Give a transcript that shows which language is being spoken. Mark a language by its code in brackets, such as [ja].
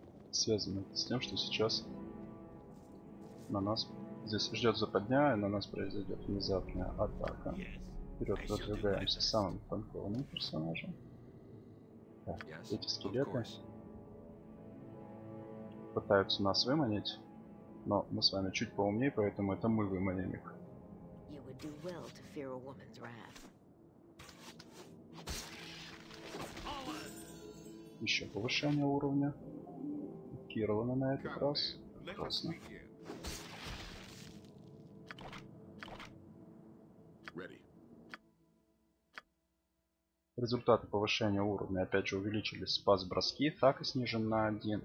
[ru] Связано с тем, что сейчас на нас здесь ждет западня, и на нас произойдет внезапная атака. Вперед продвигаемся самым танковым персонажем. Так, эти скелеты пытаются нас выманить, но мы с вами чуть поумнее, поэтому это мы выманим их. [en] You would do well to fear a woman's wrath. [ru] Еще повышение уровня Кирлана на этот раз. Прекрасно. Результаты повышения уровня опять же увеличились. Спас броски, так и снижен на 1.